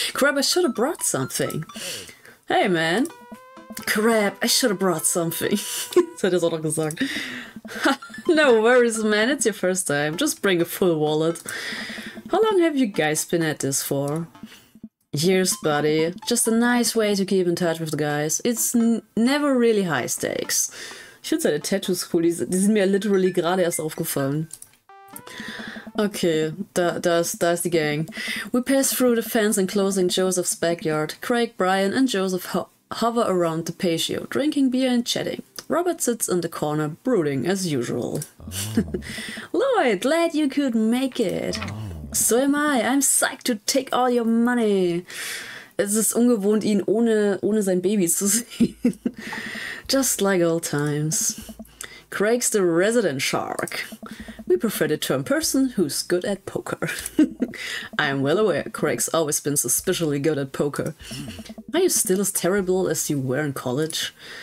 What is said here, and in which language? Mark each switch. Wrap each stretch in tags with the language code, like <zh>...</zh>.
<en>Crap, I should have brought something. Hey, man. Crap, I should have brought something.</en> <de>Das hat er so noch gesagt.</de> <en>No worries, man, it's your first time. Just bring a full wallet. How long have you guys been at this for? Years, buddy. Just a nice way to keep in touch with the guys. It's never really high stakes.</en> <de>Ich finde seine Tattoos cool, die sind mir literally gerade erst aufgefallen. Okay, da ist die Gang.</de> <en>We pass through the fence enclosing Joseph's backyard. Craig, Brian and Joseph hover around the patio, drinking beer and chatting. Robert sits in the corner, brooding as usual. Oh. Lloyd, glad you could make it. Oh. So am I, I'm psyched to take all your money.</en> <de>Es ist ungewohnt, ihn ohne sein Baby zu sehen.</de> <en>Just like old times. Craig's the resident shark. We prefer the term person who's good at poker. I'm well aware Craig's always been suspiciously good at poker. Are you still as terrible as you were in college?</en>